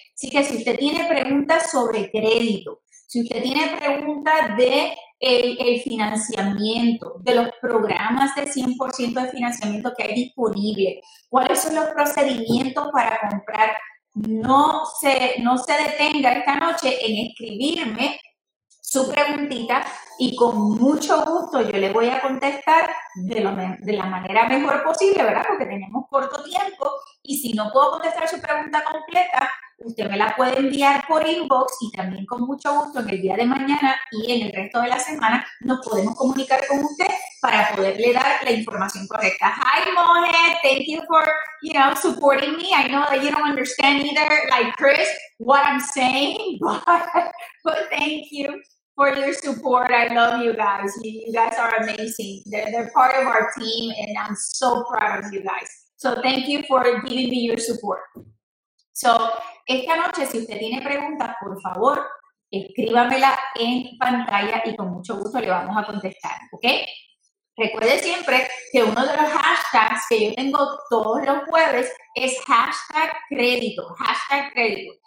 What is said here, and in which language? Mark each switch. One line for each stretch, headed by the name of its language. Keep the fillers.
Spanish: Así que si usted tiene preguntas sobre crédito, si usted tiene preguntas de el, el, financiamiento, de los programas de 100% de financiamiento que hay disponible, cuáles son los procedimientos para comprar, no se, no se detenga esta noche en escribirme su preguntita y con mucho gusto yo le voy a contestar de, lo, de la manera mejor posible, ¿verdad? Porque tenemos corto tiempo y si no puedo contestar su pregunta completa, usted me la puede enviar por inbox y también con mucho gusto en el día de mañana y en el resto de la semana nos podemos comunicar con usted para poderle dar la información correcta.
English: Hi, Monet. Thank you for, you know, supporting me. I know that you don't understand either, like Chris, what I'm saying, but, but thank you for your support. I love you guys. You, you guys are amazing. They're, they're part of our team, and I'm so proud of you guys. So thank you for giving me your support.
Spanish: So, esta noche, si usted tiene preguntas, por favor, escríbamela en pantalla y con mucho gusto le vamos a contestar, ¿ok? Recuerde siempre que uno de los hashtags que yo tengo todos los jueves es hashtag crédito, hashtag crédito.